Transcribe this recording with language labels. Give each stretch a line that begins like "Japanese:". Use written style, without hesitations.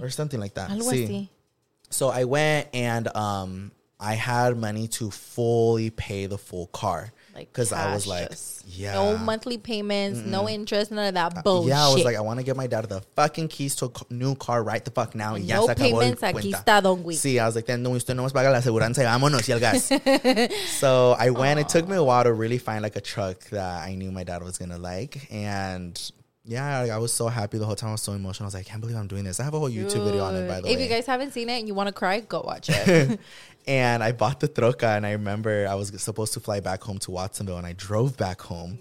English: Or something like that.
Spanish: Algo así.
English: So I went and I had money to fully pay the full car. Because I was like, no monthly payments, no interest, none of that bullshit. I was like, I want to get my dad the fucking keys to a new car right the fuck now. No payments,
Spanish: aquí está, don güey. Sí,
English: I was like,
Spanish: no, usted no más paga la aseguranza y vámonos y el gas.
English: So I went. It took me a while to really find like a truck that I knew my dad was going to like. And yeah, I was so happy the whole time. I was so emotional. I was like, I can't believe I'm doing this. I have a whole YouTube video on it, by the way. If you guys haven't seen it and you want to cry, go watch it. And I bought the troca, and I remember I was supposed to fly back home to Watsonville, and I drove back home.